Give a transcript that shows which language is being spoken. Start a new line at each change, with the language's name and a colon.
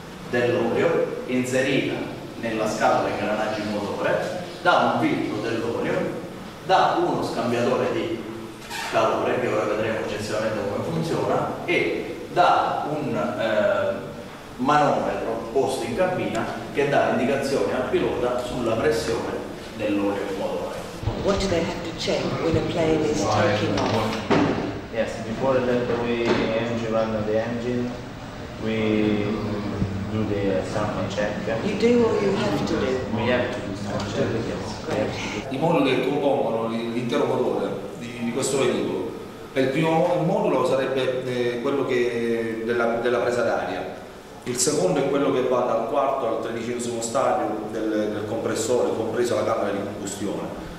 Italian: dell'olio inserita nella scatola di ingranaggi motore, da un filtro dell'olio, da uno scambiatore di calore che ora vedremo successivamente come funziona e da un manometro posto in cabina che dà indicazioni al pilota sulla pressione dell'olio in motore.
English: What do they have to check when a plane is taking off? Yes, before that we engine run the engine, we do the sound check. You do or you have to do? We have to do sound check, yes.
Italian: I moduli che compongono l'intero motore di questo velivolo. Il primo modulo sarebbe quello che della presa d'aria. Il secondo è quello che va dal quarto al tredicesimo stadio del compressore, compreso la camera di combustione.